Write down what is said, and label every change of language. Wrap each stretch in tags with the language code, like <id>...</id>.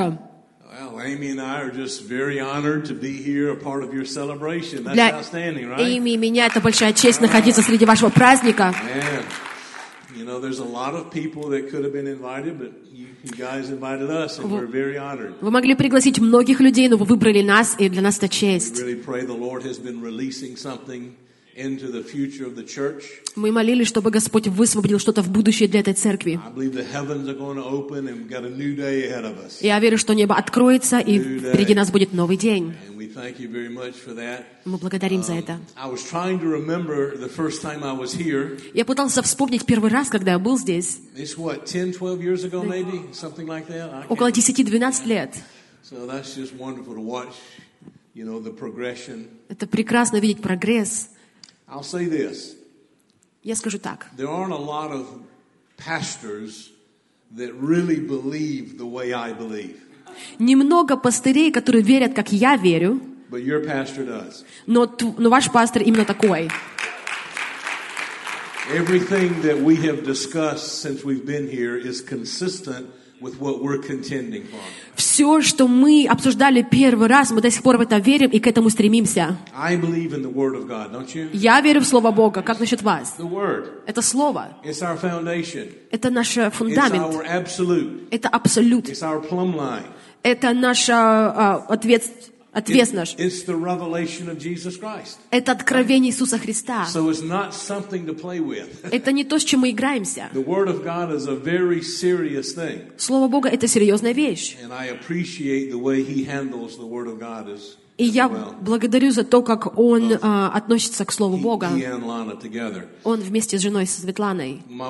<en>Well, Amy and I are just very honored to be here, a part of your celebration. That's outstanding, right?</en> <ru>Amy, меня это большая честь находиться среди вашего праздника.</ru> <en>Man, you know, there's a lot of people that could have been invited, but you guys invited us, and we're very honored.</en> <ru>Вы могли пригласить многих людей, но вы выбрали нас, и для нас это честь.</ru> <en>We really pray the Lord has been releasing something into the future of the church.</en> <ru>Мы молились, чтобы Господь высвободил что-то в будущее для этой церкви.</ru> <en>I believe the heavens are going to open and we've got a new day ahead of us.</en> <ru>Я верю, что небо откроется и впереди нас будет новый день.</ru> <en>And we thank you very much for that.</en> <ru>Мы благодарим за это.</ru> <en>I was trying to remember the first time I was here.</en> <ru>Я пытался вспомнить первый раз, когда я был здесь.</ru> <en>It's what, 10-12 years ago maybe, something like that.</en> <ru>Около 10-12 лет.</ru> <en>So that's just wonderful to watch, you know, the progression.</en> <ru>Это прекрасно видеть прогресс.</ru> <en>I'll say this.</en> <ru>Я скажу так.</ru> <en>There aren't a lot of pastors that really believe the way I believe.</en> <ru>Немного пастырей, которые верят, как я верю.</ru> <en>But your pastor does.</en> <ru>Но ваш пастор именно такой.</ru> <en>Everything that we have discussed since we've been here is consistent with what we're contending for.</en> <ru>Все, что мы обсуждали первый раз, мы до сих пор в это верим и к этому стремимся.</ru> <en>I believe in the word of God, don't you?</en> <ru>Я верю в Слово Бога. Как насчет вас?</ru> <en>The word.</en> <ru>Это Слово.</ru> <en>It's our foundation.</en> <ru>Это наш фундамент.</ru> <en>It's our absolute.</en> <ru>Это абсолют.</ru> <en>It's our plumb line.</en> <ru>Это наша ответственность.</ru> <en>It's the revelation of Jesus Christ.</en> <ru>Это откровение Иисуса Христа.</ru> <en>So it's not something to play with.</en> <ru>Это не то, с чем мы играемся.</ru> <en>The word of God is a very serious thing.</en> <ru>Слово Бога — это серьезная вещь.</ru> <en>And I appreciate the way he handles the word of God as well.</en> <ru>И я благодарю за то, как он относится к Слову Бога. Он вместе с женой, со Светланой.</ru>